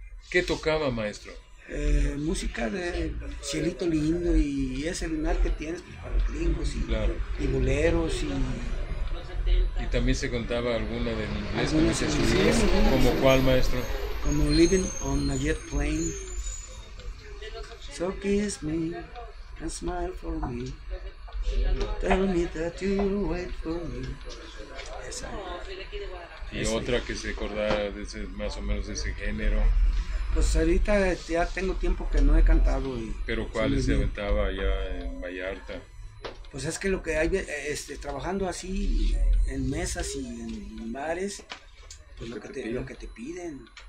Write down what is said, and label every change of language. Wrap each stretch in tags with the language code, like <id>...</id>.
<es>¿Qué tocaba, maestro? Música de Cielito Lindo y ese lunar que tienes, pues, para los gringos y, claro, y boleros. Y También se contaba alguna de inglés, no sé si es. ¿Como cuál, maestro? Como Living on a Jet Plane.</es> <en>So kiss me and smile for me. Tell me that you wait for me.</en> <es>Esa. Y esa. Otra que se acordara de ese, más o menos de ese género. Pues ahorita ya tengo tiempo que no he cantado. Y ¿pero cuáles se aventaba allá en Vallarta? Pues es que lo que hay, trabajando así en mesas y en bares, pues lo que te piden.</es>